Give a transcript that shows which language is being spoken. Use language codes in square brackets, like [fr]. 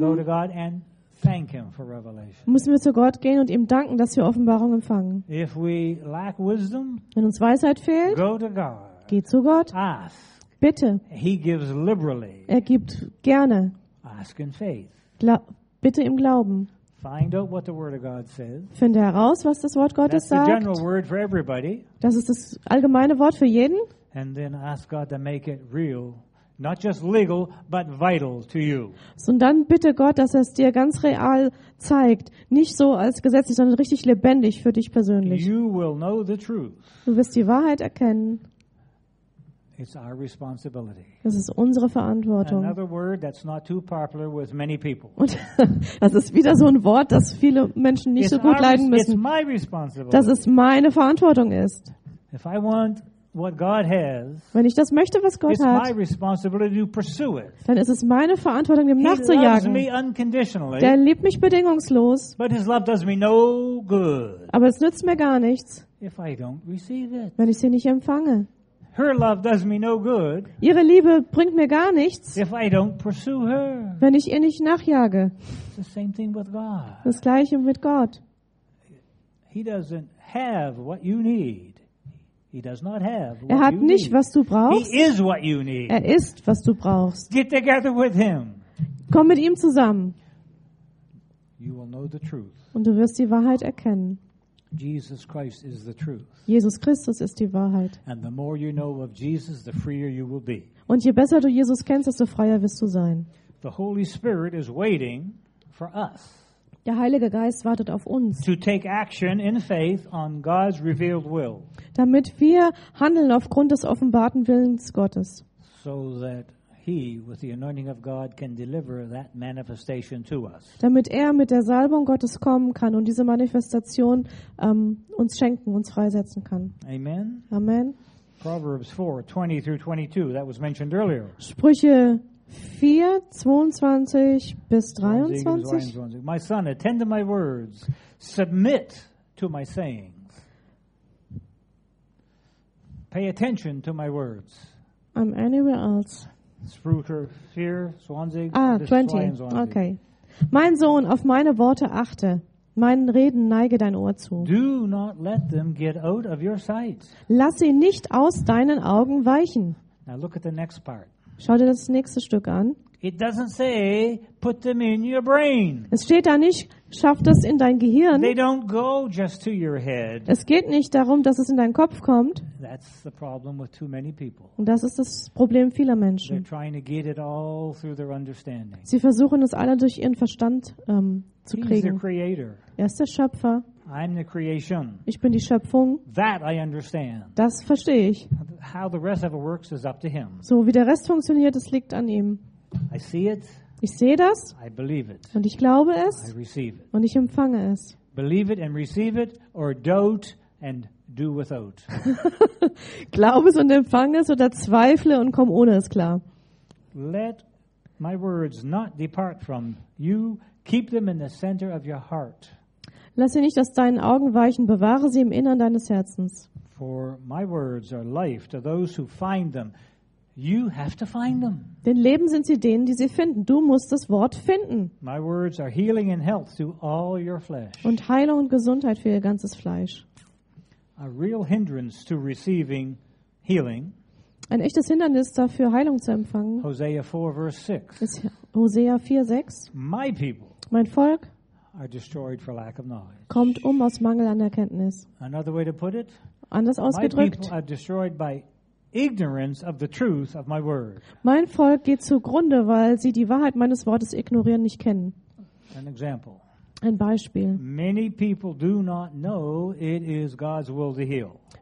[en] we need to go to God and thank him for revelation. [de] Müssen wir zu Gott gehen und ihm danken, dass wir Offenbarung empfangen. [en] If we lack wisdom, [de] wenn uns Weisheit fehlt, [en] go to God, [de] geh zu Gott. [en] Ask. [de] Bitte. [en] He gives liberally. [de] Er gibt gerne. [en] Ask in faith. [de] Bitte im Glauben. [en] Find out what the Word of God says. [de] Finde heraus, was das Wort Gottes sagt. [en] That's the general word for everybody. [de] Das ist das allgemeine Wort für jeden. [en] And then ask God to make it real. Not just legal, but vital to you. [de] Und dann bitte Gott, dass er es dir ganz real zeigt. Nicht so als gesetzlich, sondern richtig lebendig für dich persönlich. [en] You will know the truth. [de] Du wirst die Wahrheit erkennen. [en] It's our responsibility. [de] Das ist unsere Verantwortung. [en] Another word that's not too popular with many people. [de] Und das ist wieder so ein Wort, das viele Menschen nicht [en] it's [de] so gut leiden müssen. [en] It's my responsibility. [de] Dass es meine Verantwortung ist. [en] If I want what God has, [de] wenn ich das möchte, was Gott hat, [en] my responsibility to pursue it. [de] Dann ist es meine Verantwortung, dem nachzujagen. [en] He loves me unconditionally, [de] der liebt mich bedingungslos. [en] But his love does me no good, [de] aber es nützt mir gar nichts, [en] if I don't receive it. [de] Wenn ich sie nicht empfange. [en] Her love does me no good, [de] ihre Liebe bringt mir gar nichts, [en] if I don't pursue her. [de] Wenn ich ihr nicht nachjage. [en] The same thing with God. [de] Das Gleiche mit Gott. [en] He doesn't have what you need. He does not have what [de] er hat [en] you [de] nicht, [en] need. [de] Was du brauchst. [en] He is what you need. [de] Er ist, was du brauchst. [en] Get together with him. [de] Komm mit ihm zusammen. [en] You will know the truth. [de] Und du wirst die Wahrheit erkennen. [en] Jesus Christ is the truth. [de] Jesus Christus ist die Wahrheit. [en] And the more you know of Jesus, the freer you will be. [de] Und je besser du Jesus kennst, desto freier wirst du sein. [en] The Holy Spirit is waiting for us. [de] Der Heilige Geist wartet auf uns. [en] To take action in faith on God's revealed will. [de] Damit wir handeln aufgrund des offenbarten Willens Gottes. [en] So that he, with the anointing of God, can deliver that manifestation to us. [de] Damit er mit der Salbung Gottes kommen kann und diese Manifestation uns schenken, uns freisetzen kann. [en] Amen. [de] Amen. [en] Proverbs 4, 20 through 22, that was mentioned earlier. [de] Sprüche 4, 22 bis 23. [en] My son, attend to my words. Submit to my sayings. Pay attention to my words. I'm anywhere else. [de] Sprüche 4, 20. [en] Ah, 20. Okay. [de] Mein Sohn, auf meine Worte achte. Meinen Reden neige dein Ohr zu. [en] Do not let them get out of your sight. [de] Lass sie nicht aus deinen Augen weichen. [en] Now look at the next part. [de] Schau dir das nächste Stück an. [en] It doesn't say, put them in your brain. [de] Es steht da nicht, schaff das in dein Gehirn. [en] They don't go just to your head. [de] Es geht nicht darum, dass es in deinen Kopf kommt. [en] That's the problem with too many people. [de] Und das ist das Problem vieler Menschen. [en] They're trying to get it all through their understanding. [de] Sie versuchen es alle durch ihren Verstand zu kriegen. [en] He's the creator. [de] Er ist der Schöpfer. [en] I'm the creation. [de] Ich bin die Schöpfung. [en] That I understand. [de] Das verstehe ich. [en] How the rest of it works is up to him. [de] So wie der Rest funktioniert, das liegt an ihm. [en] I see it. [de] Ich sehe das. [en] I believe it. [de] Und ich glaube es. [en] I receive it. [de] Und ich empfange es. [en] Believe it and receive it, or doubt and do without. [de] Glaube es und empfange es, oder zweifle und komm ohne es klar. [en] Let my words not depart from you. Keep them in the center of your heart. [de] Lass sie nicht aus deinen Augen weichen, bewahre sie im Innern deines Herzens. [en] For my words are life to those who find them. You have to find them. [de] Denn Leben sind sie denen, die sie finden. Du musst das Wort finden. [en] My words are healing and health to all your flesh. [de] Und Heilung und Gesundheit für ihr ganzes Fleisch. [en] A real hindrance to receiving healing. [de] Ein echtes Hindernis dafür, Heilung zu empfangen. [en] Hosea 4, verse 6. [de] Ist Hosea 4, 6. [en] My people. [de] Mein Volk. [en] Are destroyed for lack of knowledge. [de] Kommt aus Mangel an Erkenntnis. [en] Another way to put it. [de] Anders ausgedrückt. [en] My people are destroyed by ignorance of the truth of my word. [de] Mein Volk geht zugrunde, weil sie die Wahrheit meines Wortes ignorieren, nicht kennen. [en] An example. [de] Ein Beispiel. [en] Many people do not know it is God's will to heal.